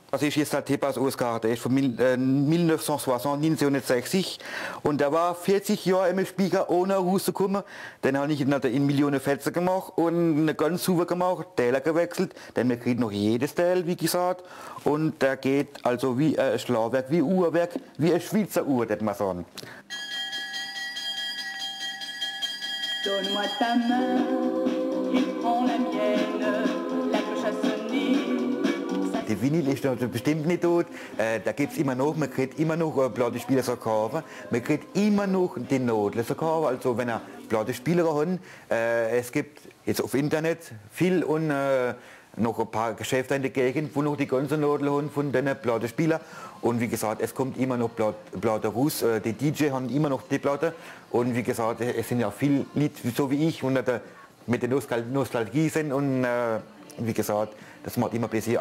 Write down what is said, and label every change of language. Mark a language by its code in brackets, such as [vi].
[de] Das ist jetzt der Tepas Oscar, der ist von 1960 und der war 40 Jahre im Spiegel ohne rauszukommen. Den habe ich in Millionen Fetzen gemacht und ganz sauber gemacht, Teller gewechselt, denn man kriegt noch jedes Teil, wie gesagt. Und der geht also wie ein Schlauwerk, wie ein Uhrwerk, wie eine Schweizer Uhr, würde man sagen. [fr] Donne-moi ta main, il prend la mienne, la cloche à sonner. [de] Die Vinyl ist also bestimmt nicht tot, da gibt es immer noch, man kriegt immer noch Plattenspieler zu kaufen, man kriegt immer noch den Nadel zu kaufen, also wenn er Plattenspieler hat, es gibt jetzt auf Internet viel und noch ein paar Geschäfte in der Gegend, wo noch die ganzen Nadel haben von den Plattenspielern und wie gesagt, es kommt immer noch Platte raus, die DJ haben immer noch die Platte und wie gesagt, es sind ja viele Leute so wie ich und mit der Nostalgie sind und wie gesagt, das macht immer besser.